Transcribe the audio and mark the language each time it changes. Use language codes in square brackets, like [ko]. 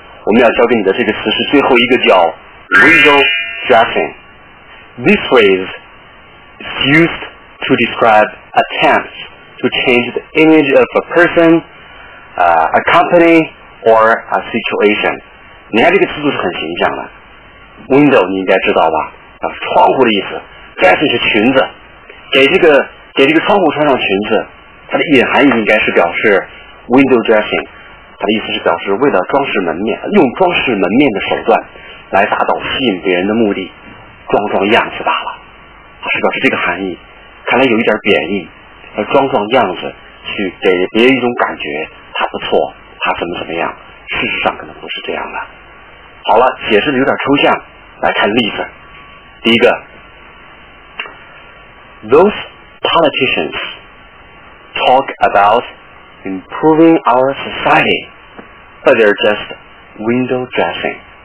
[zh] 我们要教给你的这个词是最后一个叫 window dressing. [en] This phrase is used to describe attempts to change the image of a person, a company, or a situation. [zh] 你看这个词组是很形象的。 Window 你应该知道吧？啊，窗户的意思。Dressing 是裙子，给这个窗户穿上裙子，它的隐含意应该是表示 window dressing。它的意思是表示为了装饰门面，用装饰门面的手段来达到吸引别人的目的，装装样子罢了，是表示这个含义。看来有一点贬义，而装装样子去给别人一种感觉他不错，他怎么怎么样，事实上可能不是这样的。好了，解释的有点抽象，来看例子。第一个， [en] Those politicians talk aboutimproving our society, but they're just window dressing.